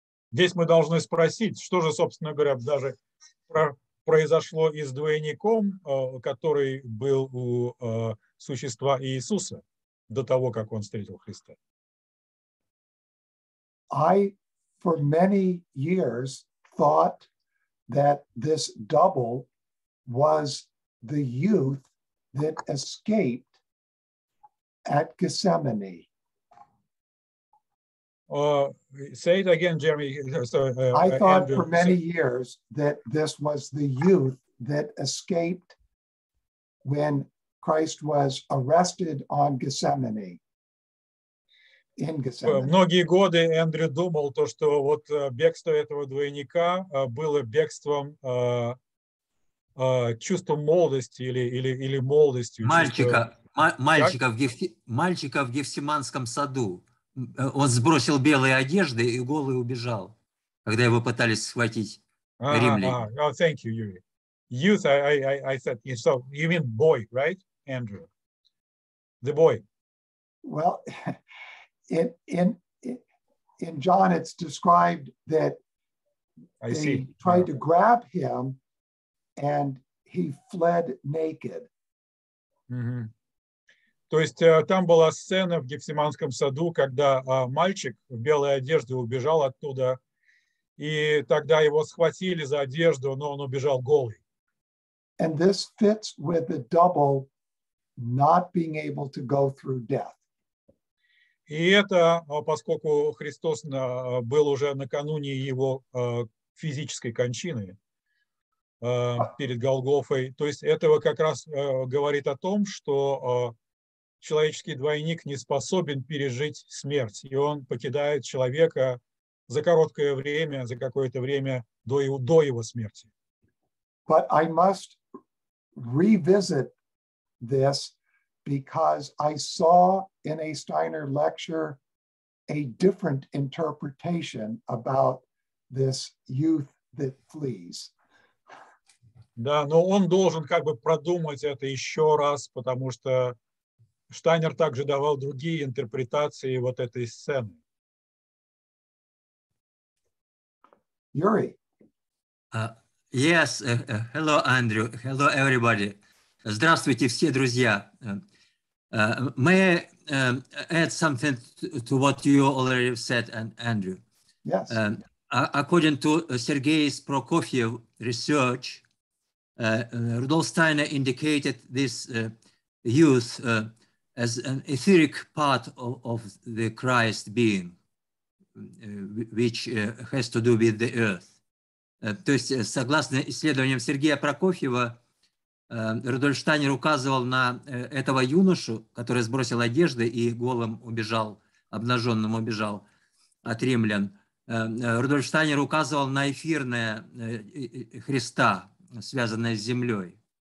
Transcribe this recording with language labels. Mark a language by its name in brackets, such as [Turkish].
[Russian] Здесь мы должны спросить, что же, собственно говоря, даже произошло и с двойником, который был у существа Иисуса до того, как он встретил Христа. [English] I for many years thought that this double was the youth that escaped at Gethsemane. Say it again, Jeremy. So, I thought Andrew, for many years that this was the youth that escaped when Christ was arrested on Gethsemane. In Gethsemane. [Russian] Многие годы Эндрю думал то, что вот бегство этого двойника было бегством чувство молодости или молодостью. Мальчика, чувство... мальчика, в Гефси... мальчика в Гефсиманском саду. Он сбросил белые одежды и голый убежал, когда его пытались схватить римляне. [English] Oh, thank you, Yuri. Youth, I said, so you mean boy, right, Andrew? The boy. Well, in John, it's described that I they see. Tried yeah. to grab him, and he fled naked. Mm-hmm. [Russian] То есть там была сцена в Гефсиманском саду, когда мальчик в белой одежде убежал оттуда, и тогда его схватили за одежду, но он убежал голый. [English] And this fits with the double not being able to go through death. [Russian] И это, поскольку Христос был уже накануне его физической кончины перед Голгофой, то есть этого как раз говорит о том, что человеческий двойник не способен пережить смерть, и он покидает человека за короткое время, за какое-то время до его смерти. [English] But I must revisit this because I saw in a Steiner lecture a different interpretation about this youth that flees. [Russian] Да, но он должен как бы продумать это еще раз, потому что Штайнер также давал другие интерпретации вот этой сцены. Юрий. [English] Yes, hello, Andrew. Hello, everybody. [Russian] Здравствуйте, все друзья. [English] May I add something to what you already said, Andrew? Yes. According to Sergei Prokofiev research, Rudolf Steiner indicated this youth as an etheric part of the Christ being, which has to do with the earth. [Russian] То есть, согласно исследованиям Сергея Прокофьева, Рудольф Штайнер указывал на этого юношу, который сбросил одежды и голым убежал, обнаженным убежал от римлян. Рудольф Штайнер указывал на эфирное Христа, связанное с землей.